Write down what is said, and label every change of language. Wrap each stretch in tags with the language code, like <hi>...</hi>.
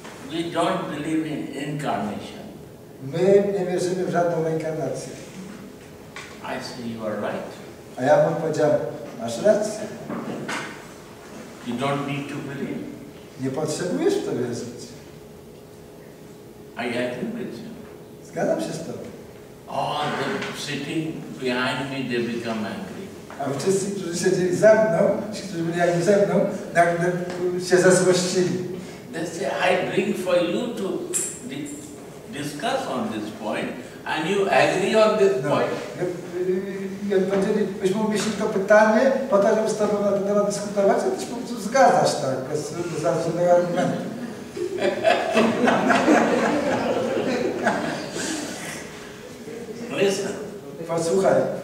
<en>we don't believe in incarnation.</en> <pl>My nie wierzymy w żadną reinkarnację.</pl> <en>I say you are right.</en> <pl>A ja mu powiedziałem: masz rację.</pl> <en>You don't need to believe.</en> <pl>Nie potrzebujesz w to wierzyć.</pl> <en>I agree with you.</en> <pl>Zgadzam się z tobą.</pl> <en>All the sitting behind me, they become angry.</en> <pl>A wszyscy, którzy siedzieli za mną, ci, którzy byli jakby ze mną, nagle się zazłościli.</pl> <en>They say, I bring for you to discuss on this point, and you agree on this point.</en> <pl>I powiedzieli, byśmy umieścili to pytanie, po to, żeby z tobą na ten temat dyskutować, a tyś po prostu zgadzasz tak, bez żadnego argumentu.</pl> <en>Listen.</en> <pl>Posłuchaj.</pl>